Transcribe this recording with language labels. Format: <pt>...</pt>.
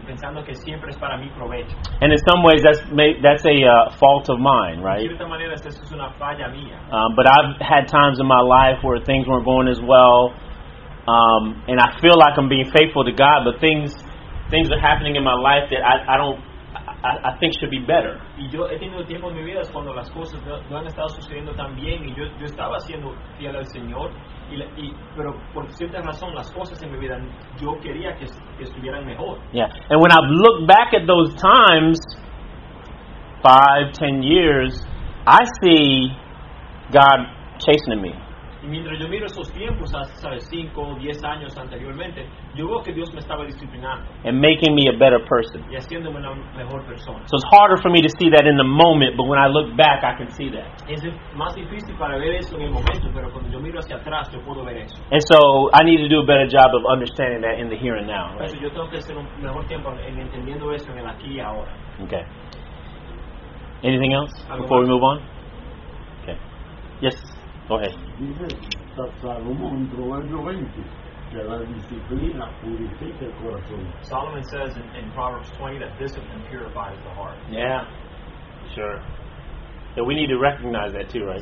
<en>And in some ways, that's a fault of mine, right? But I've had times in my life where things weren't going as well. And I feel like I'm being faithful to God, but things are happening in my life that I think should be better.</en> <es>Y yo he tenido tiempo en mi vida cuando las cosas no han estado sucediendo tan bien, y yo estaba siendo fiel al Señor, y pero por cierta razón las cosas en mi vida yo quería que estuvieran mejor.</es> <en>Yeah, and when I look back at those times, 5, 10 years, I see God chastening me.</en> <es>Y mientras yo miro esos tiempos, hace 5 o 10 años anteriormente, yo veo que Dios me estaba disciplinando.</es> <en>And making me a better person.</en> <es>Y haciéndome una mejor persona.</es> <en>So it's harder for me to see that in the moment, but when I look back, I can see that.</en> <es>Es más difícil para ver eso en el momento, pero cuando yo miro hacia atrás, yo puedo ver eso.</es> <en>And so I need to do a better job of understanding that in the here and now. Right?</en> <es>Entonces yo tengo que hacer un mejor tiempo en entendiendo eso en el aquí y ahora.</es> <en>Okay. Anything else before we move on? Okay. Yes.</en> <es>Dice Salomón en Proverbio 20 que la disciplina purifica el corazón.</es> <en>Solomon says in Proverbs 20 that discipline purifies the heart. Yeah, sure. So we need to recognize that too, right?</en>